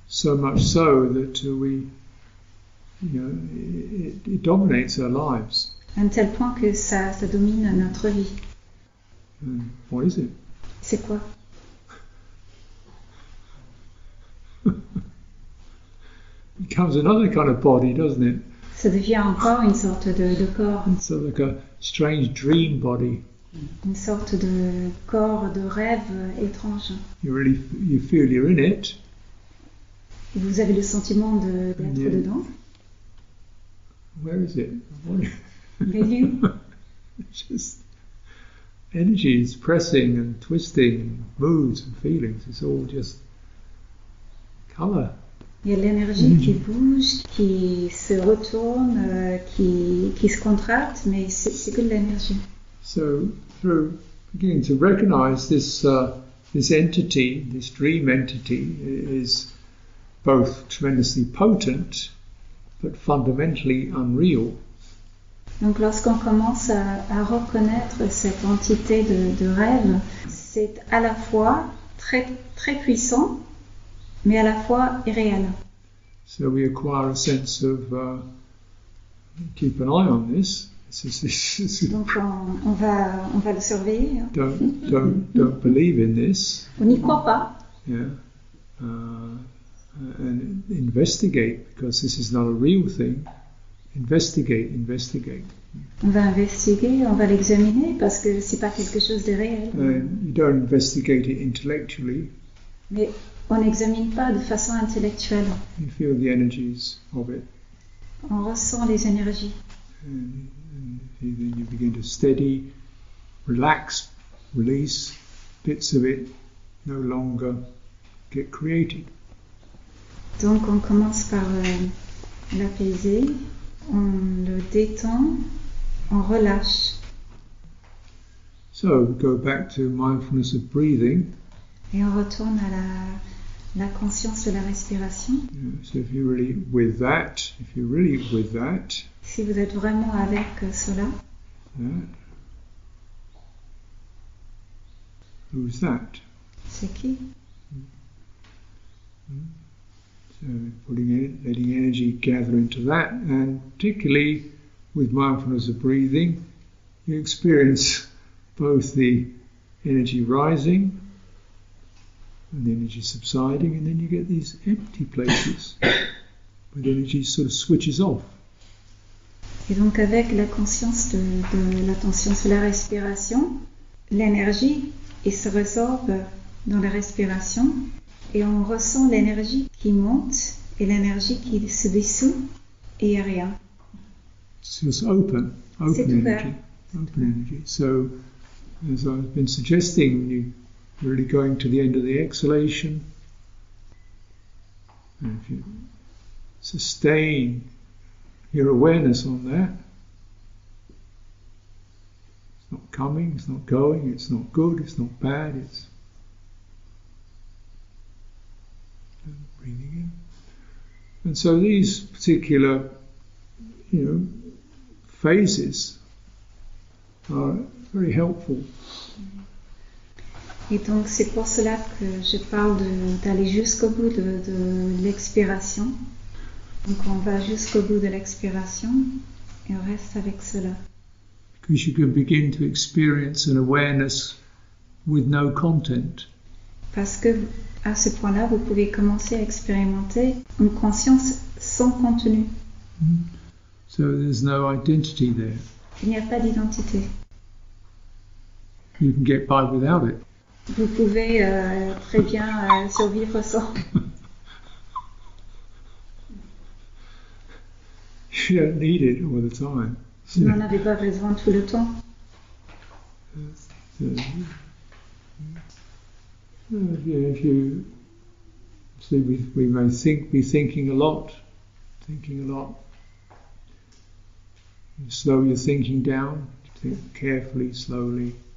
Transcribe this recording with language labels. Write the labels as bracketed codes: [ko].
[en] So much so that we, you know, it dominates our lives. [fr] À un tel point que ça domine notre vie. [en] What is it? [fr] C'est quoi? [en] It becomes another kind of body, doesn't it? [fr] Ça devient encore une sorte de corps. [en] It's sort of like a strange dream body. [fr] Une sorte de corps de rêve étrange. [en] You feel you're in it. [fr] Vous avez le sentiment d'être dedans. [en] Where is it? [fr] Mais you? [en] Just energy is pressing and twisting, moods and feelings. It's all just color. [fr] Il y a l'énergie qui bouge, qui se retourne, qui se contracte, mais c'est que de l'énergie. [en] So, through beginning to recognize this entity, this dream entity, is both tremendously potent, but fundamentally unreal. [fr] Donc lorsqu'on commence à reconnaître cette entité de rêve, c'est à la fois très, très puissant, mais à la fois irréel. [en] So we acquire a sense of keep an eye on this. [fr] Donc on va le surveiller. [en] Don't believe in this. [fr] On n'y croit pas. [en] Yeah. And investigate, because this is not a real thing. Investigate. [fr] On va investiguer, on va l'examiner, parce que c'est pas quelque chose de réel. [en] You don't investigate it intellectually. [fr] Mais on n'examine pas de façon intellectuelle. [en] You feel the energies of it. [fr] On ressent les énergies. [en] And then you begin to steady, relax, release bits of it, no longer get created. [fr] Donc on commence par l'apaiser, on le détend, on relâche. [en] So we go back to mindfulness of breathing. [fr] Et on retourne à la conscience de la respiration. [en] So if you're really with that, if you're really with that, [fr] si vous êtes vraiment avec cela, [en] yeah. Who's that? [fr] C'est qui? [en] So letting energy gather into that, and particularly with mindfulness of breathing, you experience both the energy rising and the energy subsiding, and then you get these empty places where the energy sort of switches off. [fr] Et donc avec la conscience de l'attention sur la respiration, l'énergie se résorbe dans la respiration et on ressent l'énergie qui monte et l'énergie qui se dissout et il n'y a rien. C'est [en] open energy. So, as I've been suggesting, you really going to the end of the exhalation, and if you sustain your awareness on that, it's not coming, it's not going, it's not good, it's not bad, it's breathing in. And so these particular, phases are very helpful. [fr] Et donc c'est pour cela que je parle d'aller jusqu'au bout de l'expiration. Donc on va jusqu'au bout de l'expiration et on reste avec cela. [en] Because you can begin to experience an awareness with no content. [fr] Parce que à ce point-là, vous pouvez commencer à expérimenter une conscience sans contenu. [en] So there's no identity there. [fr] Il n'y a pas d'identité. [en] You can get by without it. [fr] Vous pouvez très bien survivre sans. [en] You don't need it all the time. [fr] Vous n'en avez pas besoin tout le temps. [en] If you see, we may think a lot. You slow your thinking down. Think carefully, slowly.